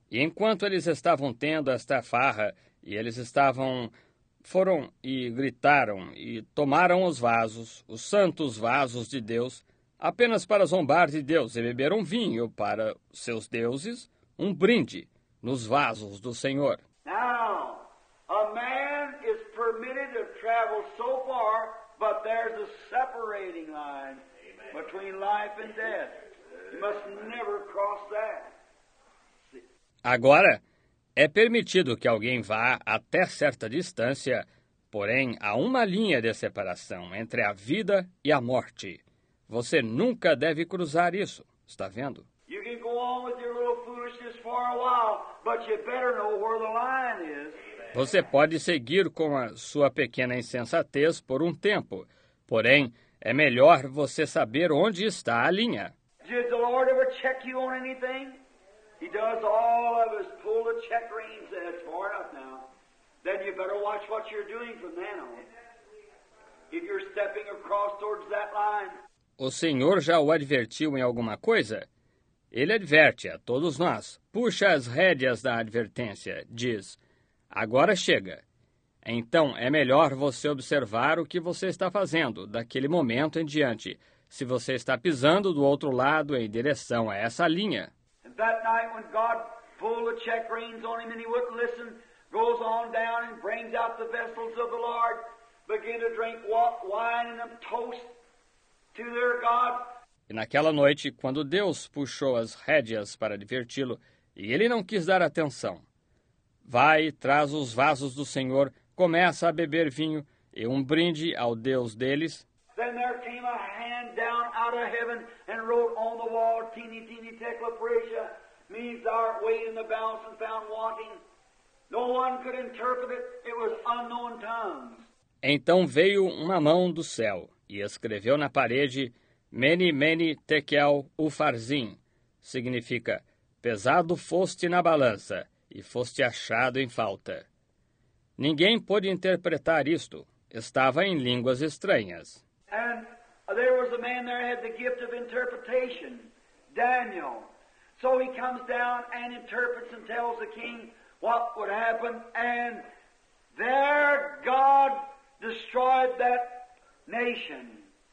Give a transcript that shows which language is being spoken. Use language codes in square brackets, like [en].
[pt] E enquanto eles estavam tendo esta farra, e eles foram e gritaram, e tomaram os vasos, os santos vasos de Deus, apenas para zombar de Deus, e beberam vinho para seus deuses, um brinde, nos vasos do Senhor. [en] Now, a man is permitted to travel so far, but there's a separating line between life and death. You must never cross that. [pt] Agora, é permitido que alguém vá até certa distância, porém há uma linha de separação entre a vida e a morte. Você nunca deve cruzar isso, está vendo? [en] You can go on with your little foolishness for a while, but you better know where the line is. [pt] Você pode seguir com a sua pequena insensatez por um tempo, porém é melhor você saber onde está a linha. [en] Did the Lord ever check you on anything? He does all of us pull the check reins and it's far enough now. Then you better watch what you're doing from then on. If you're stepping across towards that line. [pt] O Senhor já o advertiu em alguma coisa? Ele adverte a todos nós. Puxa as rédeas da advertência, diz. Agora chega. Então é melhor você observar o que você está fazendo daquele momento em diante, se você está pisando do outro lado em direção a essa linha. [en] That night when God pulled the check reins on him and he wouldn't listen, goes on down and brings out the vessels of the Lord, begin to drink wine and toast to their God. [pt] E naquela noite, quando Deus puxou as rédeas para diverti-lo, e ele não quis dar atenção, vai, traz os vasos do Senhor, começa a beber vinho e um brinde ao Deus deles. [en] Then there came a hand down out of heaven and wrote on the wall, teeny, teeny, tecla, praesia, means our weight in the balance and found wanting. No one could interpret it, it was unknown tongues. [pt] Então veio uma mão do céu e escreveu na parede, Meni, meni, tekel, ufarzim. Significa, pesado foste na balança e foste achado em falta. Ninguém pôde interpretar isto. Estava em línguas estranhas. [en] And there was a man there had the gift of interpretation, Daniel. So he comes down and interprets and tells the king what would happen. And there God destroyed that nation.